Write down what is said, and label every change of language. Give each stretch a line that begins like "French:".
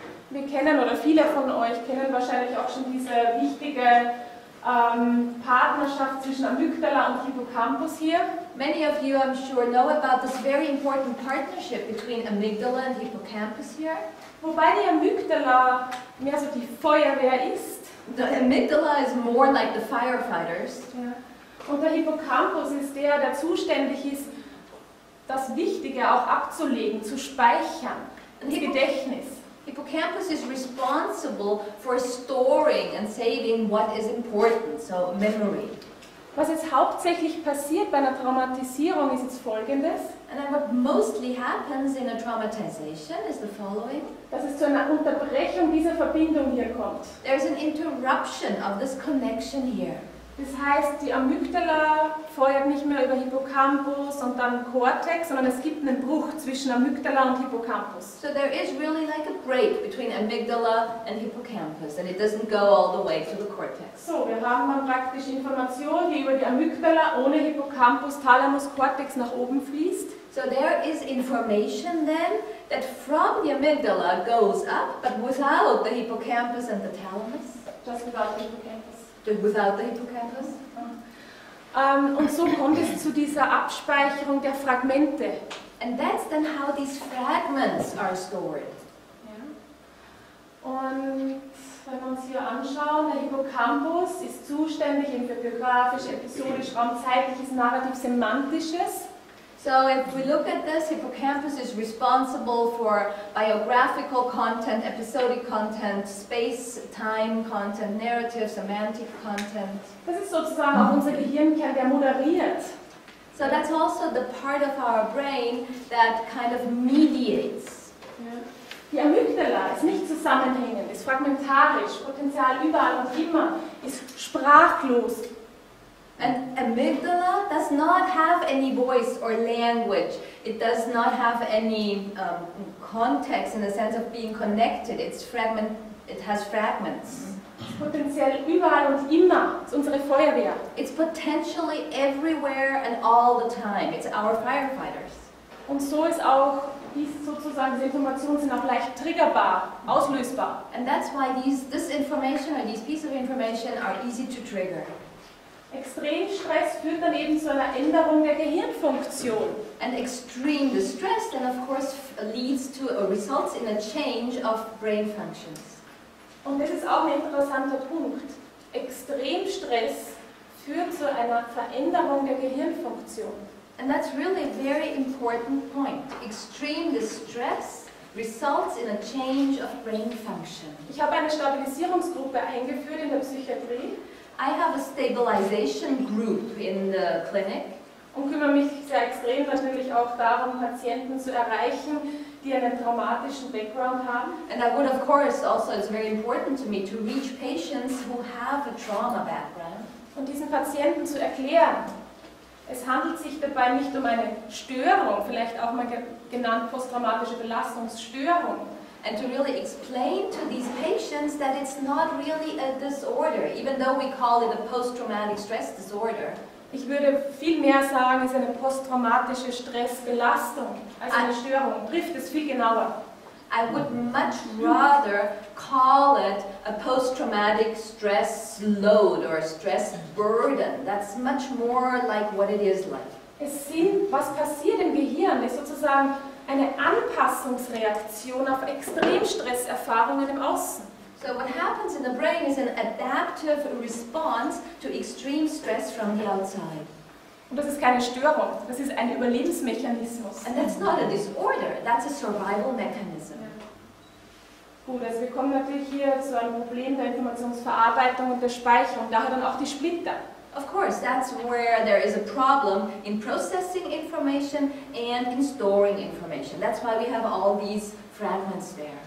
German: Wir kennen, oder viele von euch kennen wahrscheinlich auch schon diese wichtige Partnerschaft zwischen Amygdala und Hippocampus hier.
English: Many of you, I'm sure, know about this very important partnership between amygdala and hippocampus here. Wobei die Amygdala mehr so die Feuerwehr ist. The amygdala is more like the firefighters. Yeah.
German: Und der Hippocampus ist der, der zuständig ist, das Wichtige auch abzulegen, zu speichern, ein Gedächtnis.
English: Hippocampus is responsible for storing and saving what is important, so memory.
German: Was jetzt hauptsächlich passiert bei einer Traumatisierung ist jetzt Folgendes.
English: And then what mostly happens in a traumatization is the following.
German: Dass es zu einer Unterbrechung dieser Verbindung hier kommt.
English: There's an interruption of this connection here.
German: Das heißt, die Amygdala feuert nicht mehr über Hippocampus und dann Cortex, sondern es gibt einen Bruch zwischen Amygdala und Hippocampus.
English: So there is really like a break between amygdala and hippocampus and it doesn't go all the way to the cortex.
German: So, wir haben dann praktisch Informationen, die über die Amygdala ohne Hippocampus, Thalamus, Cortex nach oben fließt.
English: So there is information then that from the amygdala goes up, but without the hippocampus and the thalamus? Just without the hippocampus. Without the hippocampus?
German: Und so kommt es zu dieser Abspeicherung der Fragmente.
English: And that's then how these fragments are stored. Yeah.
German: Und wenn wir uns hier anschauen, der Hippocampus ist zuständig für biografisch, episodisch, raumzeitliches, narrativ, semantisches.
English: So if we look at this, hippocampus is responsible for biographical content, episodic content, space, time content, narrative, semantic content.
German: Das ist sozusagen auch unser Gehirnkern, der moderiert.
English: So that's also the part of our brain that kind of mediates.
German: Die Amygdala ist nicht zusammenhängend, ist fragmentarisch, potenziell überall und immer, ist sprachlos.
English: And amygdala does not have any voice or language. It does not have any context in the sense of being connected. It's fragment. It has fragments.
German: Potenziell überall und immer.
English: It's
German: unsere Feuerwehr.
English: It's potentially everywhere and all the time. It's our firefighters.
German: Und so ist auch diese sozusagen diese Informationen sind auch leicht triggerbar, auslösbar.
English: And that's why this information or these pieces of information are easy to trigger.
German: Extremstress führt dann eben zu einer Änderung der Gehirnfunktion.
English: And extreme distress then of course leads to or results in a change of brain functions.
German: Und das ist auch ein interessanter Punkt. Extremstress führt zu einer Veränderung der Gehirnfunktion.
English: And that's really a very important point. Extreme distress results in a change of brain function.
German: Ich habe eine Stabilisierungsgruppe eingeführt in der Psychiatrie.
English: I have a stabilization group in the clinic.
German: Und kümmere mich sehr extrem natürlich auch darum, Patienten zu erreichen, die einen traumatischen Background haben.
English: And I would, of course, also it's very important to me to reach patients who have a trauma background.
German: Und diesen Patienten zu erklären, es handelt sich dabei nicht um eine Störung, vielleicht auch mal genannt posttraumatische Belastungsstörung.
English: And to really explain to these patients that it's not really a disorder, even though we call it a post-traumatic stress disorder.
German: Ich würde viel mehr sagen, es ist eine posttraumatische Stressbelastung als eine Störung. Trifft es viel genauer.
English: I would much rather call it a post-traumatic stress load or stress burden. That's much more like what it is like.
German: Es sind, was passiert im Gehirn, ist sozusagen eine Anpassungsreaktion auf Extremstresserfahrungen im Außen.
English: So what happens in the brain is an adaptive response to extreme stress from the outside.
German: Und das ist keine Störung, das ist ein Überlebensmechanismus.
English: And that's not a disorder, that's a survival mechanism.
German: Ja. Gut, also wir kommen natürlich hier zu einem Problem der Informationsverarbeitung und der Speicherung, daher dann auch die Splitter.
English: Of course, that's where there is a problem in processing information and in storing information. That's why we have all these fragments there.